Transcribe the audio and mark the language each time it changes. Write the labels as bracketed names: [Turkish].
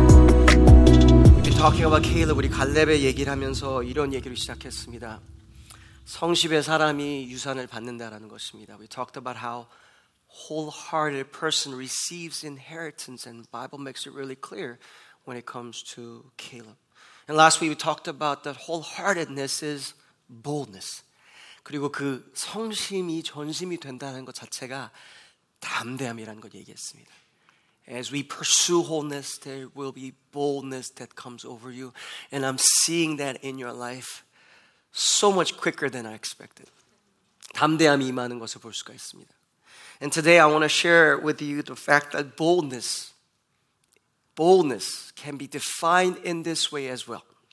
[Korean] 오늘 우리 갈렙의 얘기를 하면서 이런 얘기를 시작했습니다. 성실의 사람이 유산을 받는다라는 것입니다. [English] We talked about how wholehearted person receives inheritance and Bible makes it really clear when it comes to Caleb. And last week we talked about that wholeheartedness is boldness. [Korean] 그리고 그 성심이 전심이 된다는 것 자체가 담대함이라는 걸 얘기했습니다. [English] As we pursue wholeness, there will be boldness that comes over you. And I'm seeing that in your life so much quicker than I expected. [Korean] 담대함이 임하는 것을 볼 수가 있습니다. [English] And today I want to share with you the fact that boldness can be defined in this way as well.